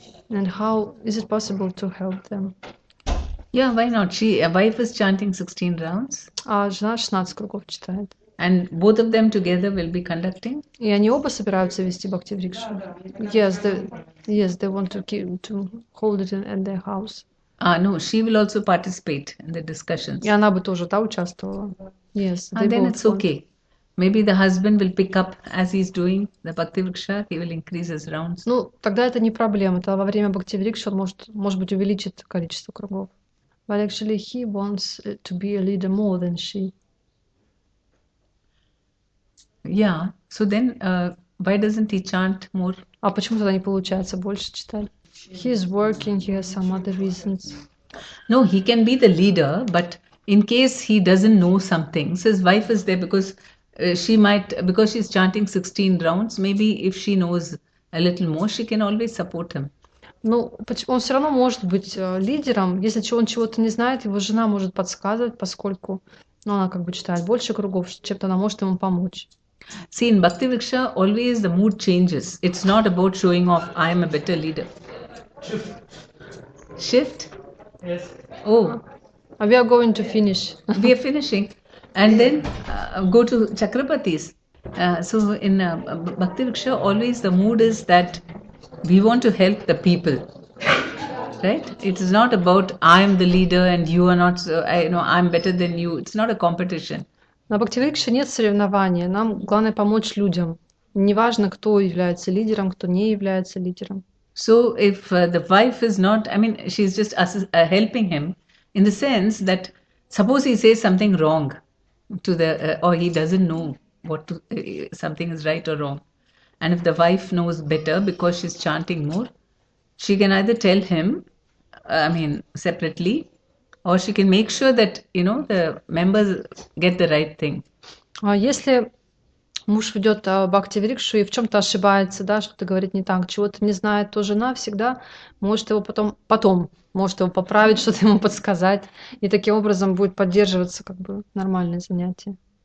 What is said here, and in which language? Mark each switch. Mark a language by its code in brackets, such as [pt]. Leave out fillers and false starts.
[en] And how is it possible to help them? Yeah, why not? A wife is chanting 16 rounds. [ru] Жена 16 кругов читает. [en] And both of them together will be conducting? [ru] И они оба собираются вести бхакти врикшу. [en] Yes, they want to keep, to hold it in at their house. Ah, no, she will also participate in the discussions. [ru] И она бы тоже там участвовала. [en] Yes, and then it's okay. Maybe the husband will pick up as he's doing the bhakti vriksha. He will increase his rounds. [ru] Ну, тогда это не проблема. Тогда во время бхакти врикши он может быть увеличит количество кругов. [en] But actually, he wants to be a leader more than she. Yeah. So then, why doesn't he chant more? [ru] А почему тогда не получается больше читать? [en] He is working. He has some other reasons. No, he can be the leader, but in case he doesn't know something, so his wife is there because she might, because she's chanting 16 rounds. Maybe if she knows a little more, she can always support him. [ru] Ну, он все равно может быть лидером, если он чего-то не знает, его жена может подсказывать, поскольку, ну, она как бы читает больше кругов, чем-то она может ему помочь. [en] See, in Bhakti Vriksha, always the mood changes. It's not about showing off, I am a better leader. Shift? Yes. Oh. We are going to finish. We are finishing. And then go to Chakrapati's. So in Bhakti Vriksha, always the mood is that we want to help the people. Right? It is not about, I am the leader and you are not, so, I, you know, I am better than you. It's not a competition. [ru] На Бхактивикше нет соревнования. Нам главное помочь людям. Неважно, кто является лидером, кто не является лидером. [en] So if the wife is not, I mean, she's just helping him in the sense that suppose he says something wrong to the, or he doesn't know what to, something is right or wrong. And if the wife knows better because she's chanting more, she can either tell him, I mean, separately, or she can make sure that, you know, the members get the right thing. [ru] Если муж ведет бхакти врикшу и в чем-то ошибается, да, что-то говорит не так, чего-то не знает, то жена всегда может его потом может его поправить, что-то ему подсказать, и таким образом будет поддерживаться как бы нормальное занятие.